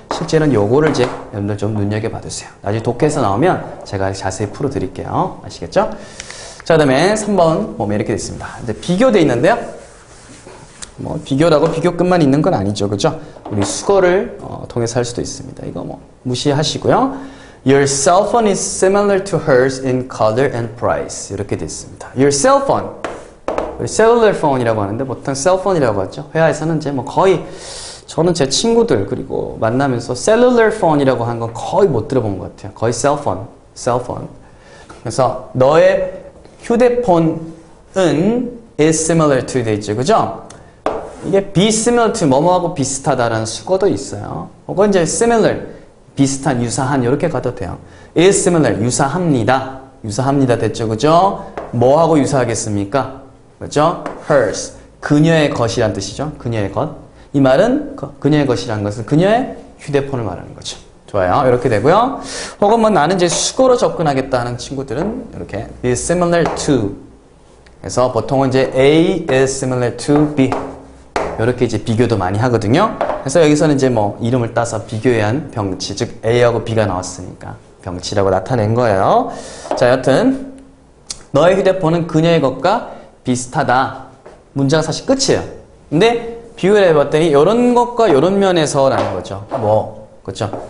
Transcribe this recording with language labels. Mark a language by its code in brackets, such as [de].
[ko] 실제는 요거를 이제 여러분들 좀 눈여겨봐주세요. 나중에 독해에서 나오면 제가 자세히 풀어드릴게요. 아시겠죠? 자, 그 다음에 3번 보면 이렇게 돼 있습니다. 이제 비교돼 있는데요. 뭐 비교라고 비교급만 있는 건 아니죠, 그죠? 우리 수거를 통해서 할 수도 있습니다. 이거 뭐 무시하시고요. [en] Your cell phone is similar to hers in color and price. [ko] 이렇게 돼 있습니다. [en] Your cell phone. [ko] 우리 cellular phone이라고 하는데 보통 cell phone이라고 하죠. 회화에서는 이제 뭐 거의 저는 제 친구들 그리고 만나면서 cellular phone이라고 한 건 거의 못 들어본 것 같아요. 거의 cell phone. [en] Cell phone. [ko] 그래서 너의 휴대폰은 [en] is similar to [ko] 돼 있죠, 그죠? 이게 be similar to 뭐뭐하고 비슷하다라는 수거도 있어요. 혹은 이제 similar, 비슷한, 유사한 이렇게 가도 돼요. [en] is similar, [ko] 유사합니다. 유사합니다 됐죠, 그죠? 뭐하고 유사하겠습니까? 그죠? hers, 그녀의 것이란 뜻이죠. 그녀의 것. 이 말은 그녀의 것이란 것은 그녀의 휴대폰을 말하는 거죠. 좋아요. 이렇게 되고요. 혹은 뭐 나는 이제 수거로 접근하겠다 하는 친구들은 이렇게 [en] be similar to. [ko] 그래서 보통은 이제 [en] A is similar to B. [ko] 이렇게 이제 비교도 많이 하거든요. 그래서 여기서는 이제 뭐 이름을 따서 비교해 한 병치. 즉 A하고 B가 나왔으니까 병치라고 나타낸 거예요. 자, 여튼 너의 휴대폰은 그녀의 것과 비슷하다. 문장 사실 끝이에요. 근데 비교를 해봤더니 이런 것과 이런 면에서라는 거죠. 뭐 그렇죠?